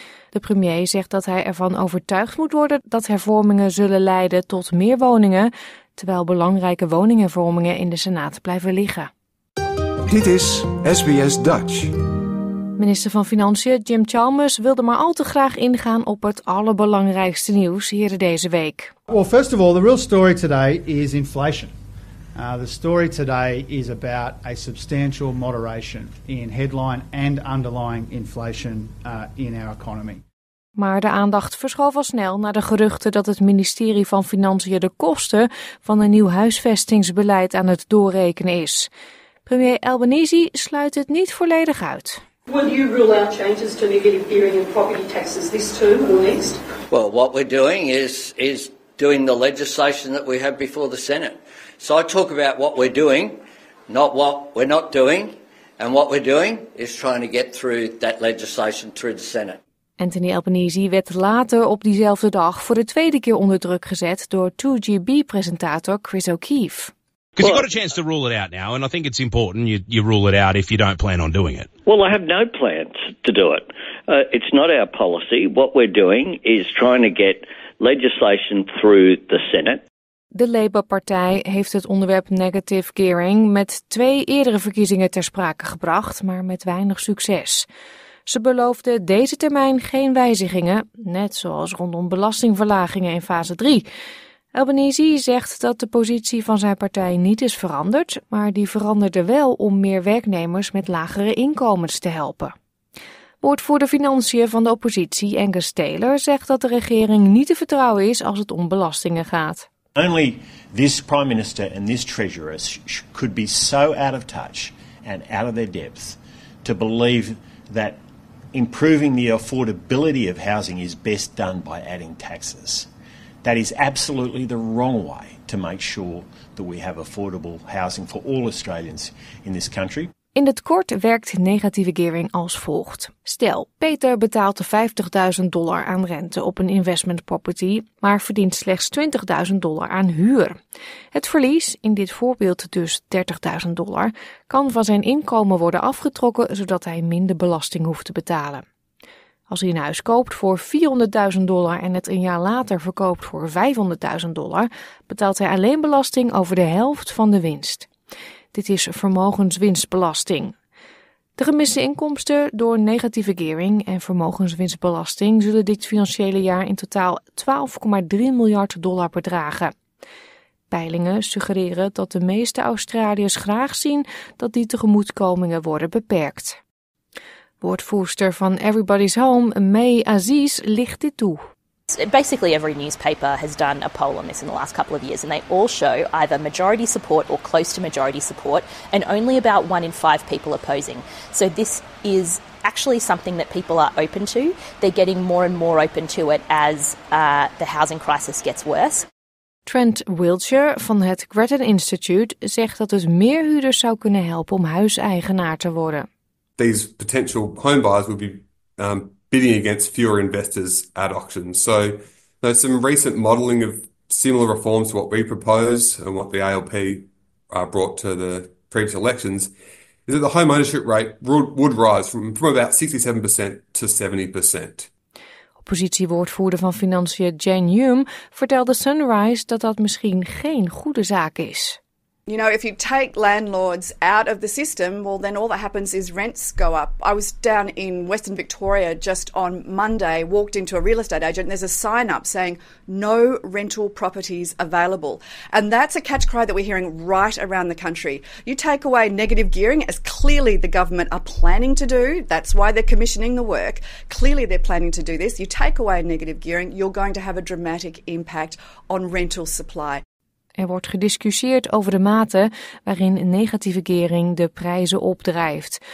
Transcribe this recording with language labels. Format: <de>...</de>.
<nl>De premier zegt dat hij ervan overtuigd moet worden dat hervormingen zullen leiden tot meer woningen, terwijl belangrijke woninghervormingen in de Senaat blijven liggen. Dit is SBS Dutch. Minister van Financiën Jim Chalmers wilde maar al te graag ingaan op het allerbelangrijkste nieuws hier deze week.</nl> <en>Well, first of all, the real story today is inflation. The story today is about a substantial moderation in headline and underlying inflation in our economy.</en> <nl>Maar de aandacht verschoof al snel naar de geruchten dat het ministerie van Financiën de kosten van een nieuw huisvestingsbeleid aan het doorrekenen is. Premier Albanese sluit het niet volledig uit.</nl> <en>Would you rule out changes to negative gearing and property taxes this term or next? Well, what we're doing is doing the legislation that we have before the Senate. So I talk about what we're doing, not what we're not doing. And what we're doing is trying to get through that legislation through the Senate.</en> <nl>Anthony Albanese werd later op diezelfde dag voor de tweede keer onder druk gezet door 2GB-presentator Chris O'Keefe.</nl> <en>Because you've got a chance to rule it out now, and I think it's important you rule it out if you don't plan on doing it. Well, I have no plans to do it. It's not our policy. What we're doing is trying to get legislation through the Senate.</en> <nl>De Labour-partij heeft het onderwerp negative gearing met twee eerdere verkiezingen ter sprake gebracht, maar met weinig succes. Ze beloofden deze termijn geen wijzigingen, net zoals rondom belastingverlagingen in fase 3. Albanese zegt dat de positie van zijn partij niet is veranderd, maar die veranderde wel om meer werknemers met lagere inkomens te helpen. Woordvoerder Financiën van de oppositie, Angus Taylor, zegt dat de regering niet te vertrouwen is als het om belastingen gaat.</nl> <en>Only this Prime Minister and this Treasurer could be so out of touch and out of their depth to believe that improving the affordability of housing is best done by adding taxes. That is absolutely the wrong way to make sure that we have affordable housing for all Australians in this country.</en> <nl>In het kort werkt negatieve gearing als volgt. Stel, Peter betaalt $50.000 aan rente op een investment property, maar verdient slechts $20.000 aan huur. Het verlies, in dit voorbeeld dus $30.000, kan van zijn inkomen worden afgetrokken zodat hij minder belasting hoeft te betalen. Als hij een huis koopt voor $400.000 en het een jaar later verkoopt voor $500.000, betaalt hij alleen belasting over de helft van de winst. Dit is vermogenswinstbelasting. De gemiste inkomsten door negatieve gearing en vermogenswinstbelasting zullen dit financiële jaar in totaal $12,3 miljard bedragen. Peilingen suggereren dat de meeste Australiërs graag zien dat die tegemoetkomingen worden beperkt. Woordvoerster van Everybody's Home, May Aziz, licht dit toe.</nl> <en>Basically, every newspaper has done a poll on this in the last couple of years, and they all show either majority support or close to majority support, and only about one in five people opposing. So this is actually something that people are open to. They're getting more and more open to it as the housing crisis gets worse.</en> <nl>Trent Wiltshire van het Grattan Institute zegt dat het meer huurders zou kunnen helpen om huiseigenaar te worden.</nl> <en>These potential home buyers will be bidding against fewer investors at auctions. So there's some recent modelling of similar reforms to what we propose and what the ALP brought to the previous elections is that the home ownership rate would rise from about 67% to 70%.</en> <nl>Oppositiewoordvoerder van Financiën Jane Hume vertelde Sunrise dat dat misschien geen goede zaak is.</nl> <en>You know, if you take landlords out of the system, well, then all that happens is rents go up. I was down in Western Victoria just on Monday, walked into a real estate agent, and there's a sign up saying no rental properties available. And that's a catch cry that we're hearing right around the country. You take away negative gearing, as clearly the government are planning to do, that's why they're commissioning the work, clearly they're planning to do this. You take away negative gearing, you're going to have a dramatic impact on rental supply.</en> <nl>Er wordt gediscussieerd over de mate waarin negatieve gearing de prijzen opdrijft.</nl>